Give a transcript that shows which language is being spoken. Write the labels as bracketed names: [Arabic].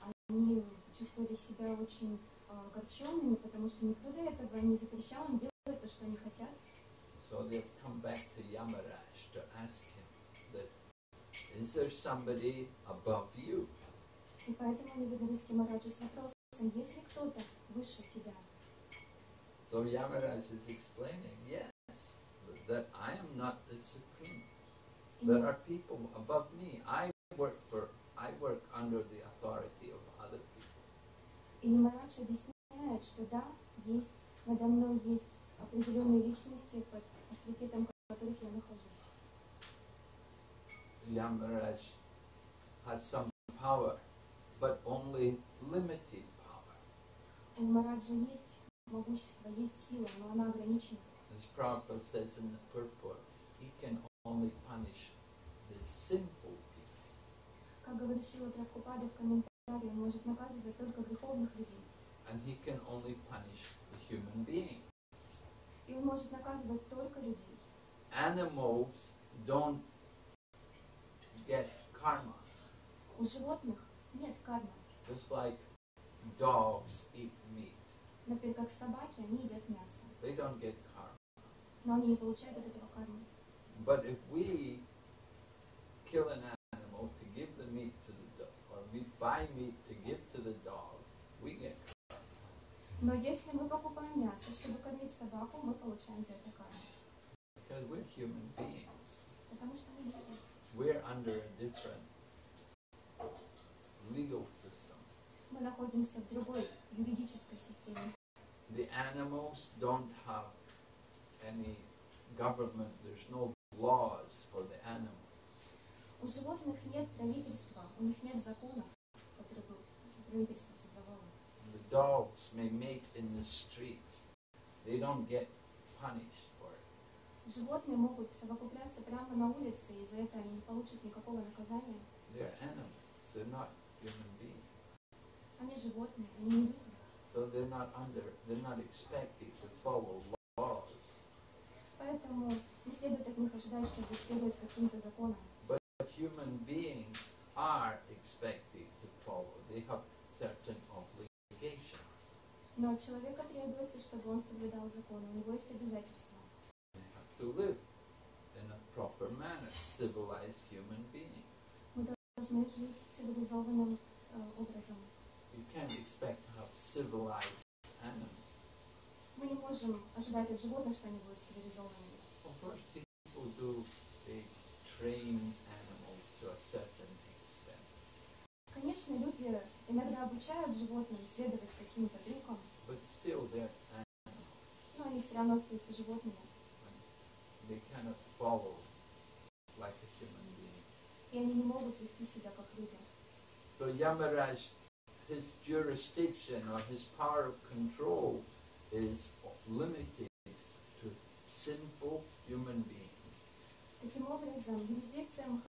[Russian] Они чувствовали себя очень огорченными, потому что никто до этого не запрещал им делать то, что они хотят. [English] So they've come back to Yamaraj to ask him, that is there somebody above you? [Russian] И поэтому они вернулись к Ямараджу с вопросом, есть ли кто-то выше тебя? [English] So Yamaraj is explaining, yes. That I am not the supreme. There are people above me. I work under the authority of other people. [Russian] И Нимарадж объясняет, что да, есть, надо мной есть определенные личности, под авторитетом которых я нахожусь. [English] Yamaraj has some power, but only limited power. [Russian] У Нимараджа есть могущество, есть сила, но она ограничена. [English] As Prabhupada says in the purport, he can only punish the sinful people. [Russian] Как говорит Шрила Прабхупада в комментарии, он может наказывать только греховных людей. [English] And he can only punish the human beings. [Russian] И он может наказывать только людей. [English] Animals don't get karma. [Russian] У животных нет кармы. [English] Just like dogs eat meat. [Russian] Например, как собаки, они едят мясо. [English] They don't get karma. [Russian] Но они не получают от этого кармы. [English] But if we kill an animal to give the meat to the dog, or we buy meat to give to the dog, we get karma. [Russian] Но если мы покупаем мясо, чтобы кормить собаку, мы получаем за это карму. [English] Because we're human beings. [Russian] Потому что мы люди. [English] We're under a different legal system. [Russian] Мы находимся в другой юридической системе. [English] The animals don't have any government, there's no laws for the animals. [Russian] У животных нет правительства, у них нет законов, которые правительство создавало. [English] The dogs may mate in the street. They don't get punished for it. [Russian] Животные могут совокупляться прямо на улице, и за это они не получат никакого наказания. [English] They're animals, they're not human beings. [Russian] Они животные, они не люди. [English] So they're not expected to follow laws. [Russian] Поэтому не следует от них ожидать, чтобы следовать каким-то законам. [English] But human beings are expected to follow. They have certain obligations. [Russian] Но от человека требуется, чтобы он соблюдал закон. У него есть обязательства. [English] They have to live in a proper manner, civilized human beings. [Russian] Мы должны жить цивилизованным образом. [English] You can't expect to have civilized animals. [Russian] Мы не можем ожидать от животных, что они будут цивилизованными. [English] People do, they train animals to a certain extent. [Russian] Конечно, люди иногда обучают животных следовать каким-то трюкам. [English] But still they're animals. [Russian] Но они все равно остаются животными. [English] And they cannot follow like a human being. [Russian] И они не могут вести себя как люди. [English] So Yamaraj, his jurisdiction or his power of control is limited to sinful human beings. [Russian] Таким образом, юрисдикция